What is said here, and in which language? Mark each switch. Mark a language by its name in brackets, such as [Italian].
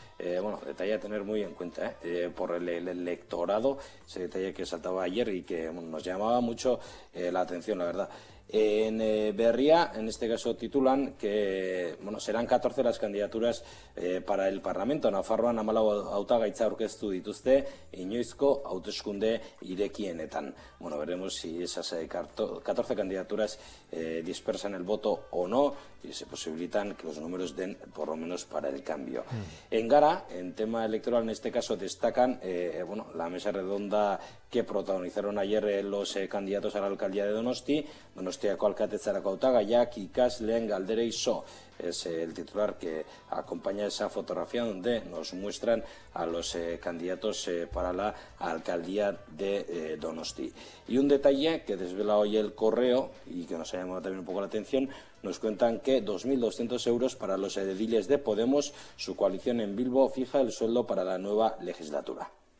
[Spanish] Bueno, detalle a tener muy en cuenta, por el electorado, ese detalle que saltaba ayer y que nos llamaba mucho la atención, la verdad. En Berria, en este caso, titulan que, bueno, serán 14 las candidaturas para el Parlamento. [Basque] Nafarroan, amalau hautagaitza aurkeztu dituzte, inoizko hauteskunde irekienetan. [Spanish] Bueno, veremos si esas 14 candidaturas dispersan el voto o no, y se posibilitan que los números den, por lo menos, para el cambio. En Gara, en tema electoral, en este caso, destacan la mesa redonda que protagonizaron ayer los candidatos a la alcaldía de Donosti. [Basque] Donostiako alkatetzarako hautagaiak ikasleen galderei so. [Spanish] Es el titular que acompaña esa fotografía donde nos muestran a los candidatos para la alcaldía de Donosti. Y un detalle que desvela hoy el Correo y que nos ha llamado también un poco la atención, nos cuentan que 2.200 euros para los ediles de Podemos, su coalición en Bilbo fija el sueldo para la nueva legislatura.